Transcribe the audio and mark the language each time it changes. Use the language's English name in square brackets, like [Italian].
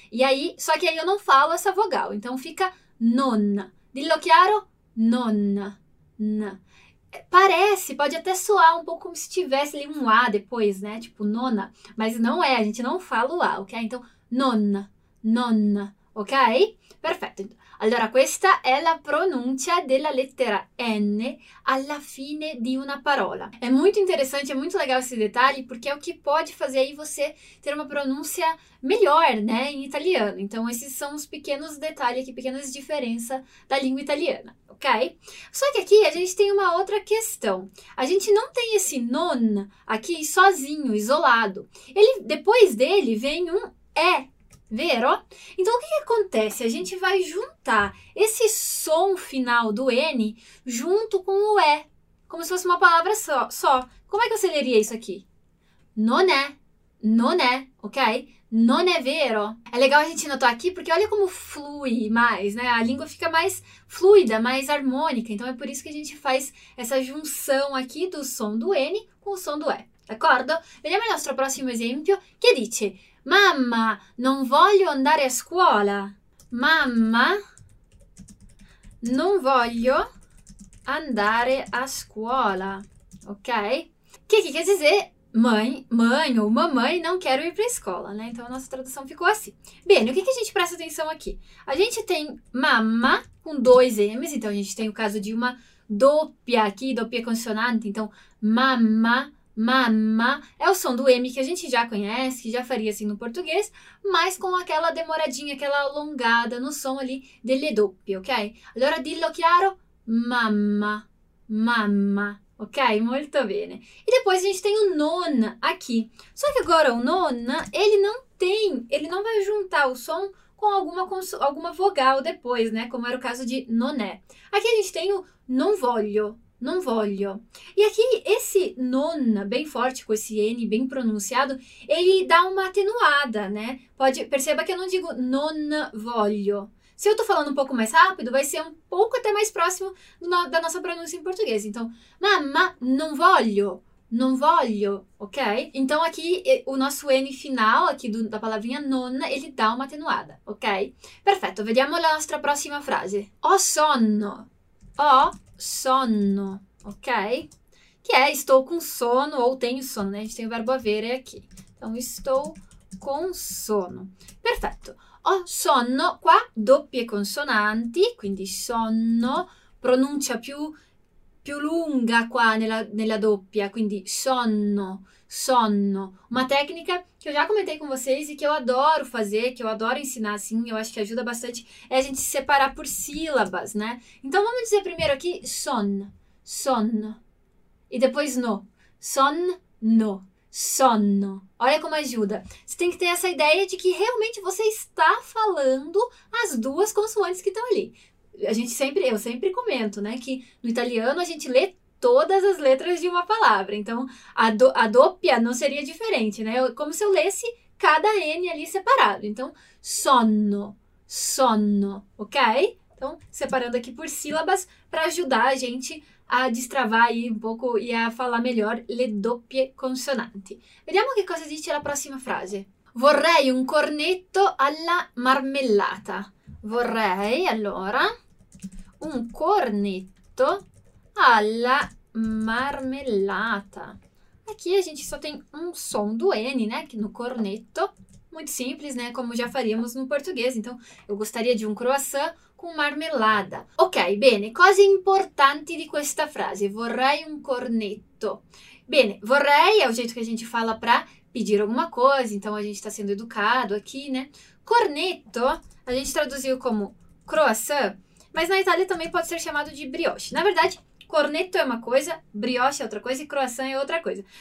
[Portuguese] E aí, só que aí eu não falo essa vogal. Então, fica non. [Italian] Dillo chiaro? Non. [Portuguese] Parece, pode até soar um pouco como se tivesse ali um A depois, né? Tipo nona, mas não é, a gente não fala o A, ok? Então, nonna, nonna, ok? Perfetto. [Italian] Allora, questa è la pronuncia della lettera N alla fine di una parola. È molto interessante, è molto legale questi dettagli, perché è o che può fare [Portuguese] aí você ter [Italian] una pronuncia migliore, né, in italiano. [Portuguese] Então, [Italian] questi sono [Portuguese] os pequenos dettagli aqui, pequenas differenze da lingua italiana. Ok? Só que aqui a gente tem uma outra questão. A gente não tem esse non aqui sozinho, isolado. Depois dele vem um é, vero? Então o que que acontece? A gente vai juntar esse som final do N junto com o é, como se fosse uma palavra só. Como é que você leria isso aqui? [Italian] Non è, non è, [Portuguese] ok? [Italian] Non è vero? [Portuguese] É legal a gente notar aqui porque olha como flui mais, né? A língua fica mais fluida, mais harmônica. Então é por isso que a gente faz essa junção aqui do som do N com o som do E. [Italian] D'accordo? Vediamo il nostro prossimo esempio che dice: Mamma, non voglio andare a scuola. Mamma, non voglio andare a scuola. [Portuguese] Ok? [Italian] Che [Portuguese] quer dizer? Mãe, mãe ou mamãe, não quero ir para a escola, né? Então a nossa tradução ficou assim. Bem, o que que a gente presta atenção aqui? A gente tem mamma com dois M's, então a gente tem o caso de uma doppia aqui, doppia consonante. Então, mamma, mamma, é o som do M que a gente já conhece, que já faria assim no português, mas com aquela demoradinha, aquela alongada no som ali [Italian] delle doppie, [Portuguese] ok? [Italian] Allora, dillo chiaro, mamma, mamma. Ok? Molto bene. [Portuguese] E depois a gente tem o non aqui. Só que agora o non, ele não vai juntar o som com alguma vogal depois, né? Como era o caso de non è. Aqui a gente tem o [Italian] non voglio, non voglio. [Portuguese] E aqui esse non, bem forte, com esse N bem pronunciado, ele dá uma atenuada, né? Perceba que eu não digo non voglio. Se eu tô falando um pouco mais rápido, vai ser um pouco até mais próximo da nossa pronúncia em português. Então, [Italian] mamma, non voglio, non voglio, [Portuguese] ok? Então, aqui, o nosso N final, aqui da palavrinha nonna, ele dá uma attenuata, ok? [Italian] Perfetto, vediamo la nostra prossima frase. Ho sonno, ho sonno, ok? Che è [Portuguese] estou com sono ou tenho sono, né? A gente tem o verbo avere aqui. Então, estou com sono. Perfetto. [Italian] Ho sonno, qua doppie consonanti, quindi sonno, pronuncia più lunga qua nella doppia, quindi sonno, sonno. Uma tecnica che ho già commentato con vocês e che io adoro fare, che io adoro insegnare, sim, io acho che aiuta bastante, è [Portuguese] a gente separar por sílabas, [Italian] né? [Portuguese] Então vamos dizer primeiro aqui son, son, e depois no, son, No. Sono. Olha como ajuda. Você tem que ter essa ideia de que realmente você está falando as duas consoantes que estão ali. Eu sempre comento, né, que no italiano a gente lê todas as letras de uma palavra. Então, a doppia não seria diferente, né? Como se eu lesse cada N ali separado. Então, sono, sono, ok? Então, separando aqui por sílabas para ajudar a gente a destravar aí um pouco e a falar melhor [Italian] le doppie consonanti. Vediamo che cosa dice la prossima frase. Vorrei un cornetto alla marmellata. Vorrei, allora, un cornetto alla marmellata. [Portuguese] Aqui a gente só tem um som do N, né? Que no cornetto, muito simples, né? Como já faríamos no português. Então, eu gostaria de um croissant com marmelada. [Italian] Ok, bene. Cose importanti di questa frase. Vorrei un cornetto. [Portuguese] Bene, vorrei é o jeito que a gente fala para pedir alguma coisa. Então, a gente está sendo educado aqui, né? Cornetto, a gente traduziu como croissant, mas na Itália também pode ser chamado de brioche. Na verdade, cornetto é uma coisa, brioche é outra coisa e croissant é outra coisa.